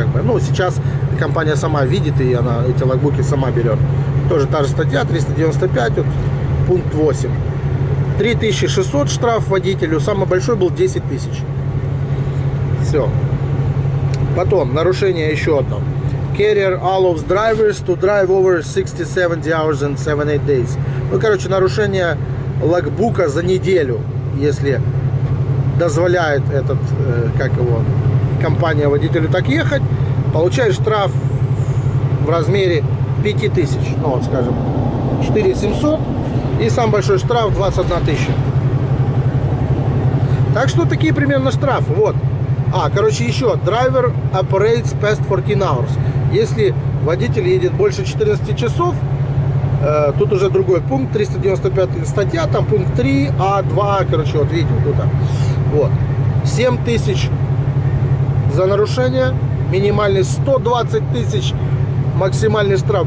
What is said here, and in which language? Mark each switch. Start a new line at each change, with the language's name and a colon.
Russian: Как бы. Ну, сейчас компания сама видит, и она эти логбуки сама берет. Тоже та же статья, 395, вот, пункт 8. 3600 штраф водителю, самый большой был 10 тысяч. Все. Потом, нарушение еще одно.
English: Carrier allows drivers to drive over 60-70 hours and 7-8 days.
Russian: Ну, короче, нарушение логбука за неделю, если дозволяет этот, как его, компания водителю так ехать, получает штраф в размере 5000, ну, вот, скажем, 4700, и самый большой штраф 21 тысяча. Так что такие примерно штрафы, вот. А, короче, еще.
English: Driver operates past 14 hours.
Russian: Если водитель едет больше 14 часов, тут уже другой пункт, 395 статья, там пункт 3, А, 2, короче, вот видите, вот тут. Вот. 7 тысяч за нарушение, минимальный 120 тысяч, максимальный штраф.